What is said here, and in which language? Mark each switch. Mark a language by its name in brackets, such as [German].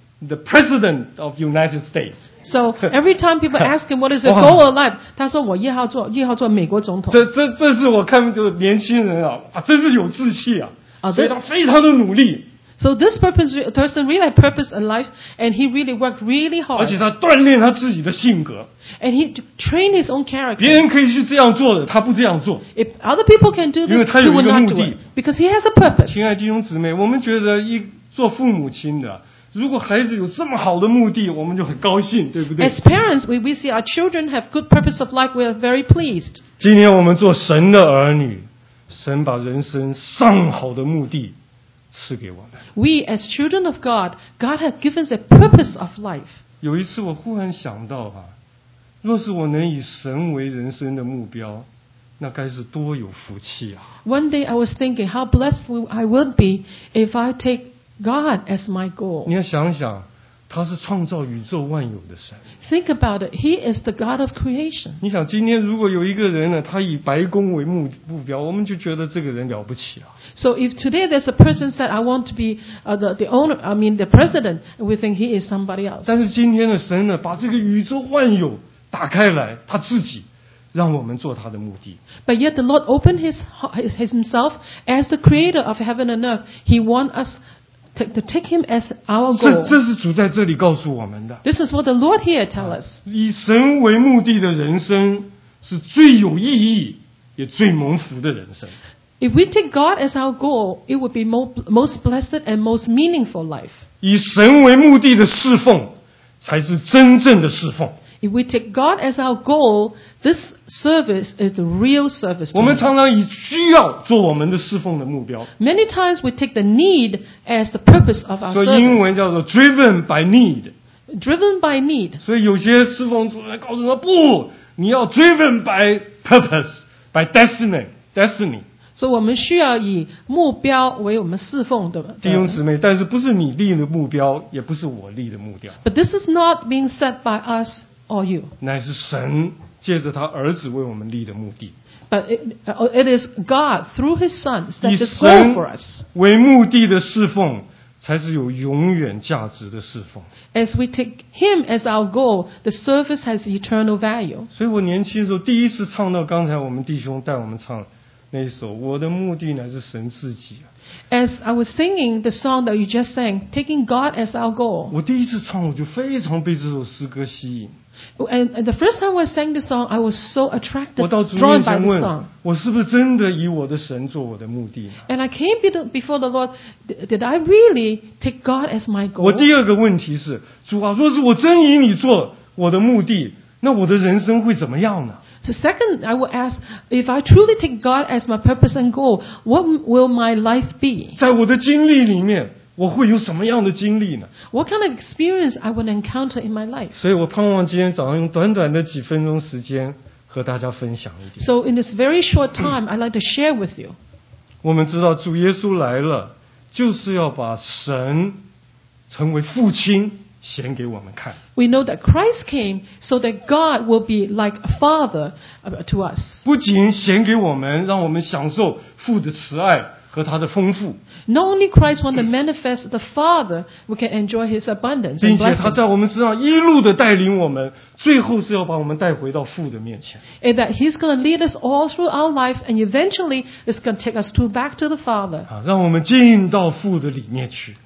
[English] the president of United States. So every time people ask him what is the goal of life, [Chinese] 他说我要做美国总统。这是我看就年轻人啊，啊真是有志气啊，所以他非常的努力。 [English] So this person really had purpose in life, and he really worked really hard. [Chinese] 而且他锻炼他自己的性格。 [English] And he trained his own character. [Chinese] 别人可以去这样做的，他不这样做。 [English] If other people can do this, he will not do it. Because he has a purpose. [Chinese] 亲爱弟兄姊妹，我们觉得一做父母亲的，如果孩子有这么好的目的，我们就很高兴，对不对 [English] ？As parents, we see our children have good purpose of life. We are very pleased. [Chinese] 今天我们做神的儿女，神把人生上好的目的。赐给我们。 [English] We as children of God, God has given us a purpose of life. [Chinese] 有一次我忽然想到啊，若是我能以神为人生的目标，那该是多有福气啊。 [English] One day I was thinking how blessed I would be if I take God as my goal. [Chinese] 你要想想，他是创造宇宙万有的神。 [English] Think about it, He is the God of creation. [Chinese] 你想今天如果有一个人呢，他以白宫为目标，我们就觉得这个人了不起啊。 [English] So if today there's a person said I want to be the owner, I mean the president, we think he is somebody else. [Chinese] 但是今天的神呢，把这个宇宙万有打开来，他自己让我们做他的目的。 [English] But yet the Lord opened his himself as the creator of heaven and earth. He wants us to take him as our goal. [Chinese] 这是主在这里告诉我们的。 [English] This is what the Lord here tells us. [Chinese] 以神为目的的人生是最有意义也最蒙福的人生。 [English] If we take God as our goal, it would be most blessed and most meaningful life. [Chinese] 以神为目的的侍奉才是真正的侍奉。 [English] If we take God as our goal, this service is the real service. [Chinese] 我们常常以需要做我们的侍奉的目标。 [English] Many times we take the need as the purpose of our service. [Chinese] 所以英文叫做 [English] driven by need. Driven by need. [Chinese] 所以有些侍奉主来告诉他不，你要 [English] driven by purpose, by destiny. [Chinese] 所以我们需要以目标为我们侍奉的弟兄姊妹，但是不是你立的目标，也不是我立的目标。 [English] But this is not being set by us or you. [Chinese] 乃是神借着他儿子为我们立的目的。 [English] But it is God through His Son set this goal for us. [Chinese] 以神为目的的侍奉，才是有永远价值的侍奉。 [English] As we take Him as our goal, the service has eternal value. [Chinese] 所以我年轻的时候第一次唱到刚才我们弟兄带我们唱。那一首我的目的乃是神自己。 [English] As I was singing the song that you just sang, taking God as our goal. [Chinese] 我第一次唱我就非常被这首诗歌吸引。 [English] And the first time I sang the song, I was so attracted, drawn by the song. [Chinese] 我到主面前问，我是不是真的以我的神做我的目的？ [English] And I came before the Lord, did I really take God as my goal? [Chinese] 我第二个问题是，主啊，若是我真以你做我的目的，那我的人生会怎么样呢？ [English] So second, I will ask, if I truly take God as my purpose and goal, what will my life be? [Chinese] 在我的经历里面，我会有什么样的经历呢？ [English] What kind of experience I will encounter in my life? [Chinese] 所以我盼望今天早上用短短的几分钟时间和大家分享一点。 [English] So in this very short time, I'd like to share with you. [Chinese] 我们知道主耶稣来了，就是要把神成为父亲。显给我们看。 [English] We know that Christ came so that God will be like a father to us. [Chinese] 不仅显给我们，让我们享受父的慈爱和他的丰富。 [English] Not only Christ wants to manifest the Father, we can enjoy His abundance. [Chinese] 并且他在我们身上一路的带领我们，最后是要把我们带回到父的面前。 [English] And that He's going to lead us all through our life, and eventually is going to take us to back to the Father. [Chinese] 让我们进到父的里面去。